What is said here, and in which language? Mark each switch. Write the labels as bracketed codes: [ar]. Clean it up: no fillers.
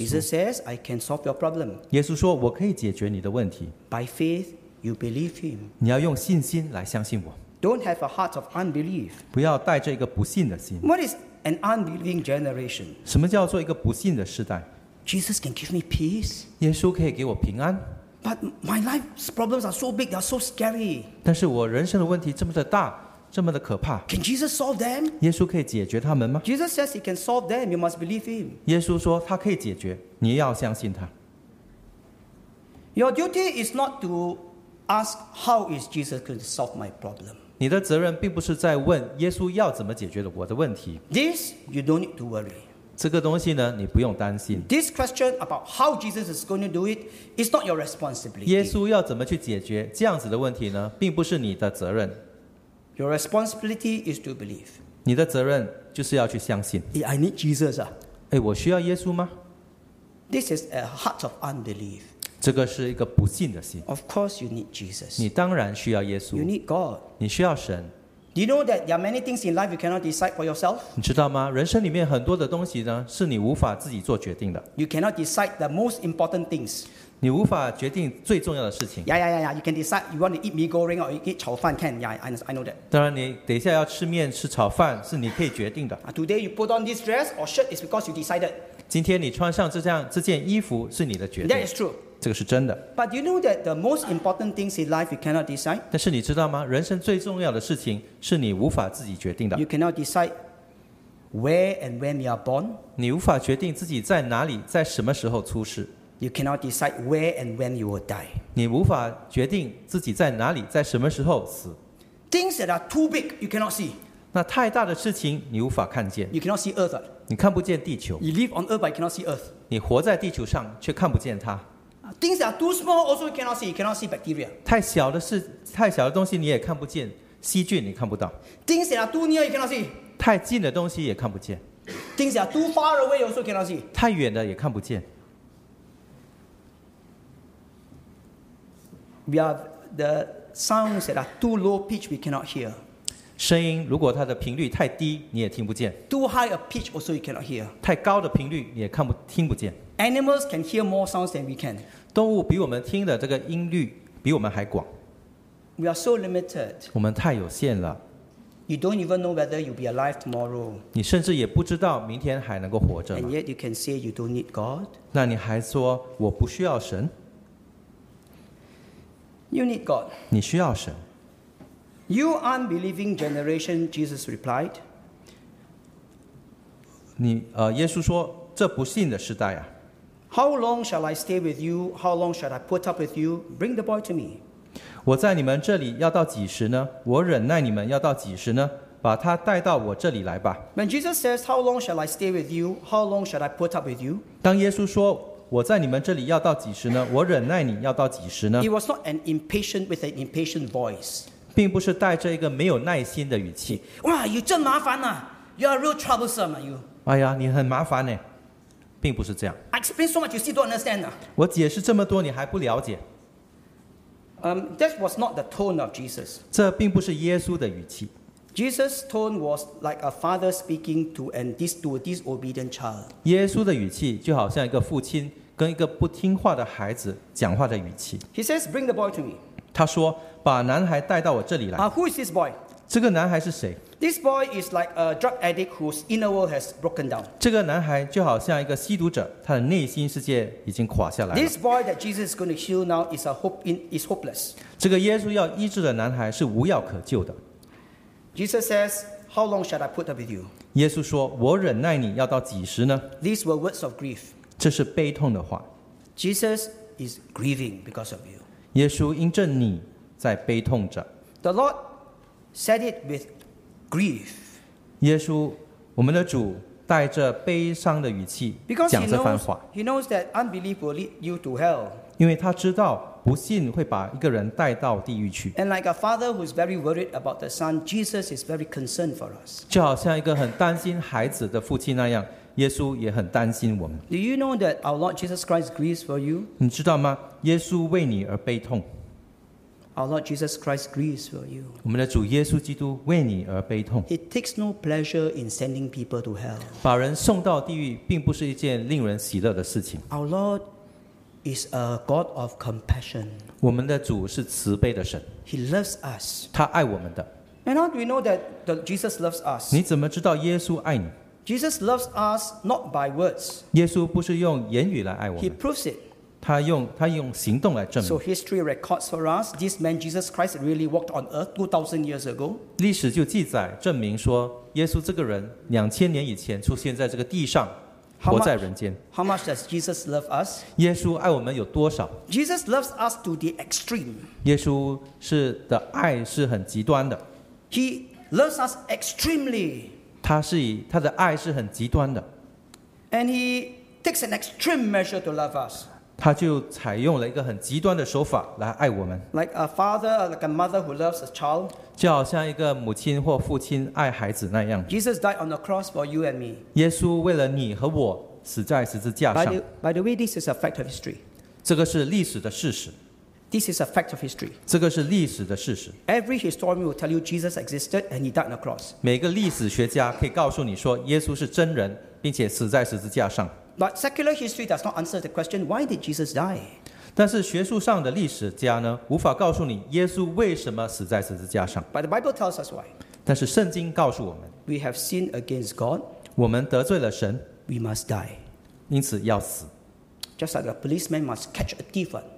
[en] Jesus says, "I can solve your problem." [zh] 耶稣说，我可以解决你的问题。 [en] By faith, you believe him. [zh] 你要用信心来相信我。 [en] Don't have a heart of unbelief. [zh] 不要带着一个不信的心。 [en] What is an unbelieving generation? [zh] 什么叫做一个不信的时代 [en] ？Jesus can give me peace. [zh] 耶稣可以给我平安。 [en] But my life's problems are so big, they're so scary. [zh] 但是我人生的问题这么的大，这么的可怕。 [en] Can Jesus solve them? [zh] 耶稣可以解决他们吗 [en] ？Jesus says he can solve them. You must believe him. [zh] 耶稣说他可以解决，你要相信他。 [en] Your duty is not to ask how is Jesus going to solve my problem. [zh] 你的责任并不是在问耶稣要怎么解决我的问题。 [en] This you don't need to worry. [zh] 这个东西呢，你不用担心。 [en] This question about how Jesus is going to do it is not your responsibility. [zh] 耶稣要怎么去解决这样子的问题呢，并不是你的责任。 [en] Your responsibility is to believe. [zh] 你的责任就是要去相信。 [en] I need Jesus. [zh] 我需要耶稣吗 [en] ？This is a heart of unbelief. [zh] 这个是一个不信的心。 [en] Of course, you need Jesus. [zh] 你当然需要耶稣。 [en] You need God. [zh] 你需要神。 [en] Do you know that there are many things in life you cannot decide for yourself? [zh] 你知道吗？人生里面很多的东西呢，是你无法自己做决定的。 [en] You cannot decide the most important things. [zh] 你无法决定最重要的事情。 [en] Yeah. You can decide you want to eat mee goreng or you eat 炒饭 can. Yeah, I know that. [zh] 当然，你等一下要吃面吃炒饭是你可以决定的。 [en] Today you put on this dress or shirt is because you decided. [zh] 今天你穿上这件衣服是你的决定。 [en] That is true. [zh] 这个是真的。 [en] But you know that the most important things in life you cannot decide. [zh] 但是你知道吗？人生最重要的事情是你无法自己决定的。 [en] You cannot decide where and when you are born. [zh] 你无法决定自己在哪里，在什么时候出世。 [en] You cannot decide where and when you will die. [zh] 你无法决定自己在哪里，在什么时候死。 [en] Things that are too big you cannot see. [zh] 那太大的事情你无法看见。 [en] You cannot see earth. [zh] 你看不见地球。 [en] You live on earth but you cannot see earth. [zh] 你活在地球上却看不见它。 [en] Things are too small, also you cannot see. You cannot see bacteria. [zh] 太小的东西你也看不见，细菌你看不到。 [en] Things are too near, you cannot see. [zh] 太近的东西也看不见。 [en] Things are too far away, also cannot see. [zh] 太远的也看不见。 [en] We have the sounds that are too low pitch, we cannot hear. [zh] 声音如果它的频率太低，你也听不见。 [en] Too high a pitch, also you cannot hear. [zh] 太高的频率你也听不见。 [en] Animals can hear more sounds than we can. [zh] 动物比我们听的这个音律比我们还广。 [en] We are so limited. [zh] 我们太有限了。 [en] You don't even know whether you'll be alive tomorrow. [zh] 你甚至也不知道明天还能够活着。 [en] And yet you can say you don't need God. [zh] 那你还说我不需要神？ [en] You need God. [zh] 你需要神。 [en] You unbelieving generation, Jesus replied. [zh] 耶稣说。这不信的时代啊。 [en] How long shall I stay with you? How long shall I put up with you? Bring the boy to me. [zh] 我在你们这里要到几时呢？我忍耐你们要到几时呢？把他带到我这里来吧。 [en] When Jesus says, "How long shall I stay with you? How long shall I put up with you?" [zh] 当耶稣说我在你们这里要到几时呢？我忍耐你要到几时呢 [en] ？He was not an impatient with an impatient voice. [zh] 并不是带着一个没有耐心的语气。哇，你真麻烦呐 ！ [en] You are real troublesome, are you? [zh] 哎呀，你很麻烦呢。并不是这样。 [en] I explain so much, you still don't understand. [zh] 我解释这么多，你还不了解。 [en] That was not the tone of Jesus. [zh] 这并不是耶稣的语气。 [en] Jesus' tone was like a father speaking to a disobedient child. [zh] 耶稣的语气就好像一个父亲跟一个不听话的孩子讲话的语气。 [en] He says, "Bring the boy to me." [zh] 他说，把男孩带到我这里来。 [en] Who is this boy? [zh] 这个男孩是谁？ [en] This boy is like a drug addict whose inner world has broken down. [zh] 这个男孩就好像一个吸毒者，他的内心世界已经垮下来了。 [en] This boy that Jesus is going to heal now is hopeless. [zh] 这个耶稣要医治的男孩是无药可救的。 [en] Jesus says, "How long shall I put up with you?" [zh] 耶稣说，我忍耐你要到几时呢 [en] ？These were words of grief. [zh] 这是悲痛的话。 [en] Jesus is grieving because of you. [zh] 耶稣因着你在悲痛着。 [en] The Lord said it with grief. [zh] 耶稣，我们的主带着悲伤的语气讲这番话。 [en] He knows that unbelief will lead you to hell. [zh] 因为他知道不信会把一个人带到地狱去。 [en] And like a father who is very worried about the son, Jesus is very concerned for us. [zh] 就好像一个很担心孩子的父亲那样，耶稣也很担心我们。 [en] Do you know that our Lord Jesus Christ grieves for you? [zh] 你知道吗？耶稣为你而悲痛。 [en] Our Lord Jesus Christ grieves for you. [zh] 我们的主耶稣基督为你而悲痛。 [en] He takes no pleasure in sending people to hell. [zh] 把人送到地狱并不是一件令人喜乐的事情。 [en] Our Lord is a God of compassion. [zh] 我们的主是慈悲的神。 [en] He loves us. [zh] 他爱我们的。 [en] And how do we know that Jesus loves us? [zh] 你怎么知道耶稣爱你？ [en] Jesus loves us not by words. [zh] 耶稣不是用言语来爱我们。 [en] He proves it. [zh] 他用行动来证明。 [en] So history records for us, this man Jesus Christ really walked on earth 2,000 years ago. [zh] 历史就记载证明说，耶稣这个人2000年以前出现在这个地上，活在人间。 [en] How much does Jesus love us? [zh] 耶稣爱我们有多少？ [en] Jesus loves us to the extreme. [zh] 耶稣是的爱是很极端的。 [en] He loves us extremely. [zh] 他的爱是很极端的。 [en] And he takes an extreme measure to love us. [zh] 他就采用了一个很极端的手法来爱我们。 [en] Like a father, like a mother who loves a child. [zh] 就好像一个母亲或父亲爱孩子那样。 [en] Jesus died on the cross for you and me. [zh] 耶稣为了你和我死在十字架上。 [en] By the way, this is a fact of history. [zh] 这个是历史的事实。 [en] This is a fact of history. [zh] 这个是历史的事实。 [en] Every historian will tell you Jesus existed and he died on the cross. [zh] 每个历史学家可以告诉你说耶稣是真人，并且死在十字架上。 [en] But secular history does not answer the question, why did Jesus die? [zh] 但是学术上的历史家呢，无法告诉你耶稣为什么死在十字架上。 [en] But the Bible tells us why. [zh] 但是圣经告诉我们。 [en] We have sinned against God. [zh] 我们得罪了神。 [en] We must die. [zh] 因此要死。 [en] Just like a policeman must catch a thief.